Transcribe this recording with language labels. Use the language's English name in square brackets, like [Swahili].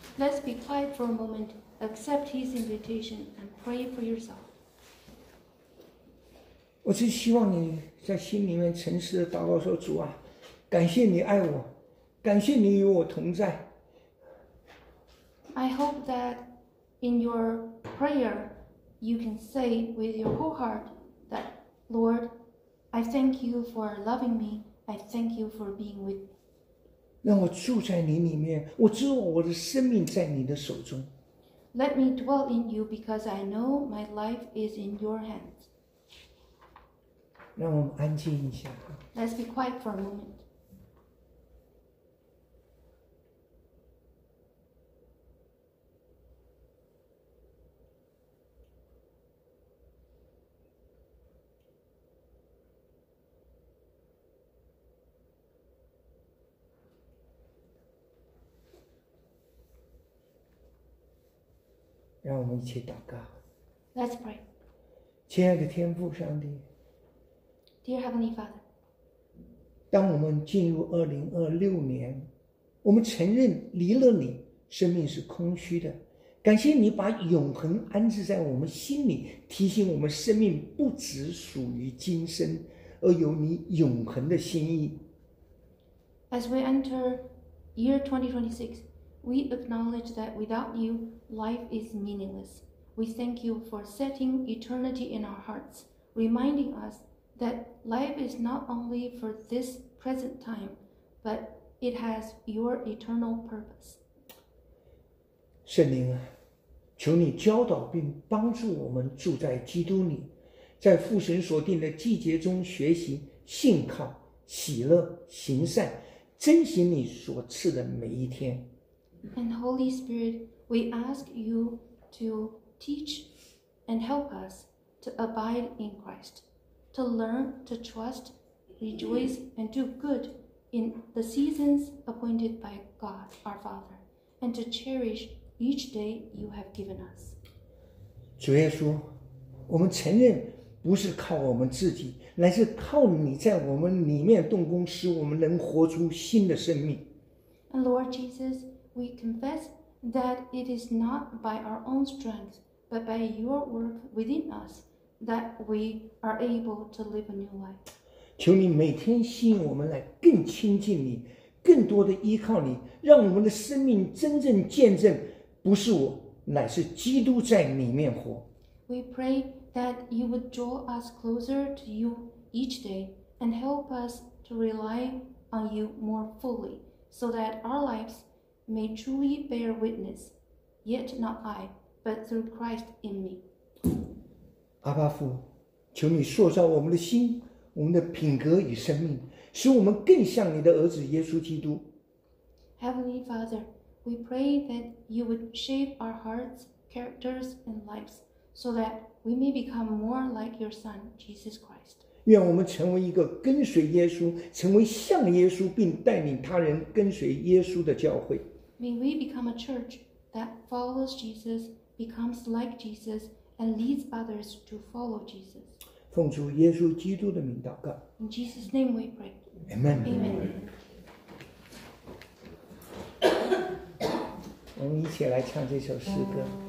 [English] Let's be quiet for a moment, accept His invitation, and pray for yourself. [Chinese] 我是希望你在心里面诚实的祷告说：“主啊，感谢你爱我。” 感谢你与我同在。 [English] I hope that in your prayer, you can say with your whole heart that, Lord, I thank you for loving me. I thank you for being with me. [Chinese] 让我住在你里面，我知道我的生命在你的手中。 [English] Let me dwell in you because I know my life is in your hands. [Chinese] 让我们安静一下。 [English] Let's be quiet for a moment. [Chinese] 让我们一起祷告。 [English] Let's pray. [Chinese] 亲爱的天父上帝。 [English] Dear Heavenly Father. [Chinese] 当我们进入2026年，我们承认离了你，生命是空虚的。感谢你把永恒安置在我们心里，提醒我们生命不只属于今生，而有你永恒的心意。 [English] As we enter year 2026, we acknowledge that without you, life is meaningless. We thank you for setting eternity in our hearts, reminding us that life is not only for this present time, but it has your eternal purpose. [Chinese] 圣灵啊，求你教导并帮助我们住在基督里，在父神所定的季节中学习信靠、喜乐、行善，珍惜你所赐的每一天。 [English] And Holy Spirit, we ask you to teach and help us to abide in Christ, to learn, to trust, rejoice, and do good in the seasons appointed by God our Father, and to cherish each day you have given us. [Chinese] 主耶稣，我们承认不是靠我们自己，乃是靠你在我们里面动工，使我们能活出新的生命。 [English] And Lord Jesus, we confess that it is not by our own strength, but by your work within us, that we are able to live a new life. [Chinese] 求你每天吸引我们来更亲近你，更多的依靠你，让我们的生命真正见证不是我，乃是基督在里面活。 [English] We prayThat you would draw us closer to you each day and help us to rely on you more fully, so that our lives may truly bear witness, yet not I, but through Christ in me. [Chinese] 阿爸父，求你塑造我们的心，我们的品格与生命，使我们更像你的儿子耶稣基督。 [English] Heavenly Father, we pray that you would shape our hearts, characters, and lives, so that we may become more like your Son, Jesus Christ. [Chinese] 愿我们成为一个跟随耶稣，成为像耶稣，并带领他人跟随耶稣的教会。 [English] May we become a church that follows Jesus, becomes like Jesus, and leads others to follow Jesus. [Chinese] 奉主耶稣基督的名祷告。 [English] In Jesus' name we pray. Amen. Amen. [Chinese] 我们一起来唱这首诗歌。